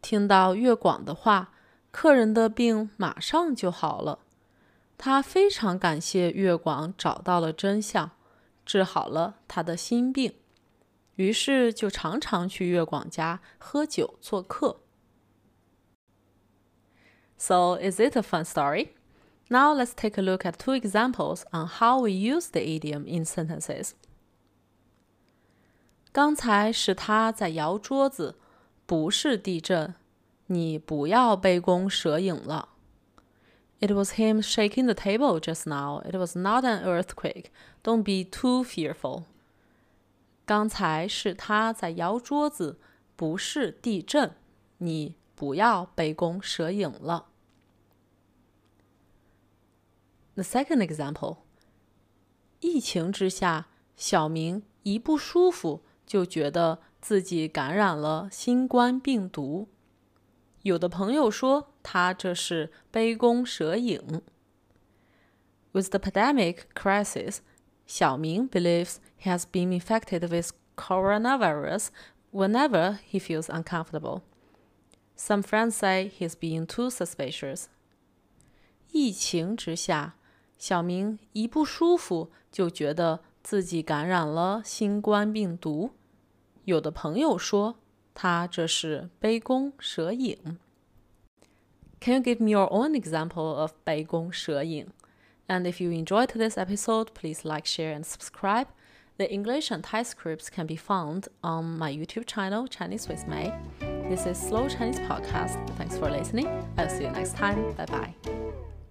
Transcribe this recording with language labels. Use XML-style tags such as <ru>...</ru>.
<zh>听到月广的话，客人的病马上就好了。他非常感谢月广找到了真相，治好了他的心病，于是就常常去月广家喝酒做客。</zh> <en>So, is it a fun story? Now let's take a look at two examples on how we use the idiom in sentences.</en> <zh>刚才是他在摇桌子，不是地震，你不要杯弓蛇影了。</zh> <en>It was him shaking the table just now. It was not an earthquake. Don't be too fearful.</en> <zh>刚才是他在摇桌子，不是地震，你不要杯弓蛇影了。</zh> <en>The second example.</en> <zh>疫情之下，小明一不舒服就觉得自己感染了新冠病毒。有的朋友说他这是杯弓蛇影。</zh> <en>With the pandemic crisis, 小明 believes he has been infected with coronavirus whenever he feels uncomfortable. Some friends say he's being too suspicious.</en> <zh>疫情之下，小明一不舒服就觉得自己感染了新冠病毒。有的朋友说他这是杯弓蛇影。</zh> <en>Can you give me your own example of 杯弓蛇影? And if you enjoyed this episode, please like, share, and subscribe. The English and Thai scripts can be found on my YouTube channel, Chinese with Mei. This is Slow Chinese Podcast. Thanks for listening. I'll see you next time. Bye-bye.</en>